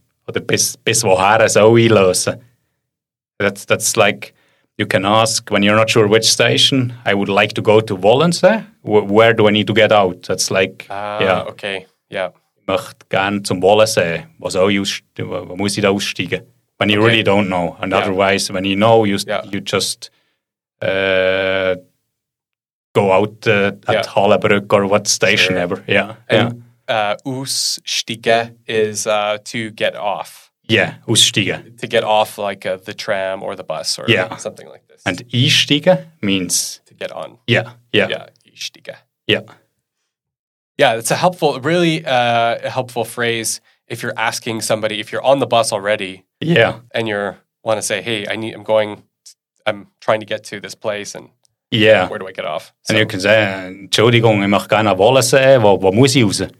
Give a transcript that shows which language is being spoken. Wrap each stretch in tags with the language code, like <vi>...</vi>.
<de>Oder bis woher soll ich lösen?</de> <en>That's like you can ask when you're not sure which station. I would like to go to Wollensee. Where do I need to get out? That's like, okay, yeah.</en> <de>Ich möchte gerne zum Wollensee. Wo soll ich muss ich da aussteigen?</de> <en>When you really don't know. And otherwise, when you know, you just go out at Hollebrück or what station ever. Yeah. And aussteigen is to get off. Yeah, aussteigen. To get off like the tram or the bus or something like this. And einsteigen means? To get on. Yeah, yeah. Yeah. Yeah. Yeah, it's a helpful, really helpful phrase if you're asking somebody, if you're on the bus already. Yeah. And you want to say, hey, I'm trying to get to this place and where do I get off? So, and you can say,</en> <de>Entschuldigung, ich möchte gerne Wollensee, wo muss ich raus?</de>